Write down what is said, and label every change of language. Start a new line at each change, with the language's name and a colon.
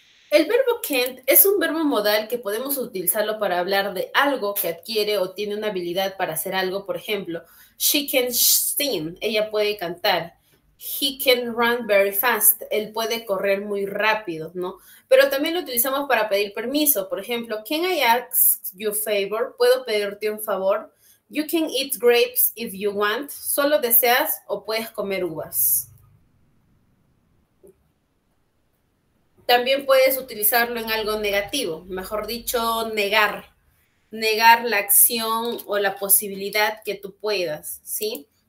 Spanish: El verbo can't es un verbo modal que podemos utilizarlo para hablar de algo que adquiere o tiene una habilidad para hacer algo. Por ejemplo,
English: she can sing,
Spanish: ella puede cantar.
English: He can run very fast,
Spanish: él puede correr muy rápido, ¿no? Pero también lo utilizamos para pedir permiso. Por ejemplo,
English: can I ask you a favor?
Spanish: ¿Puedo pedirte un favor?
English: You can eat grapes if you want.
Spanish: ¿Solo deseas o puedes comer uvas? También puedes utilizarlo en algo negativo, mejor dicho, negar. Negar la acción o la posibilidad que tú puedas, ¿sí?